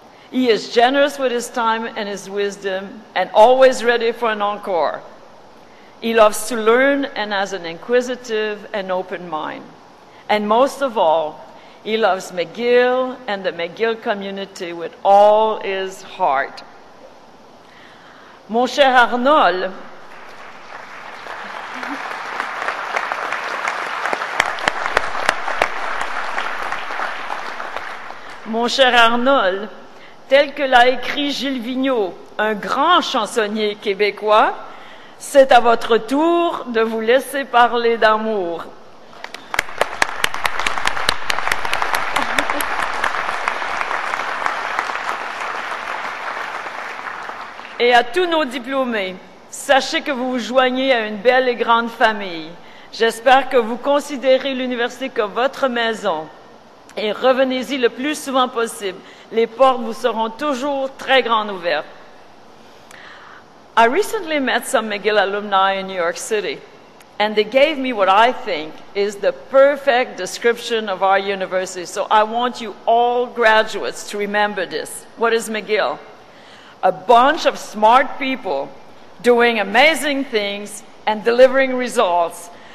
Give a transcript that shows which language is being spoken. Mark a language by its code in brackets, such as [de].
[en] He is generous with his time and his wisdom and always ready for an encore. He loves to learn and has an inquisitive and open mind. And most of all, He loves McGill and the McGill community with all his heart. [fr] Mon cher Arnold, mon cher Arnold, tel que l'a écrit Gilles Vigneault, un grand chansonnier québécois, c'est à votre tour de vous laisser parler d'amour. Et à tous nos diplômés, sachez que vous vous joignez à une belle et grande famille. J'espère que vous considérez l'université comme votre maison. Et revenez-y le plus souvent possible. Les portes vous seront toujours très grandes ouvertes. [en] I recently met some McGill alumni in New York City, and they gave me what I think is the perfect description of our university. So I want you all graduates to remember this. What is McGill? A bunch of smart people doing amazing things and delivering results.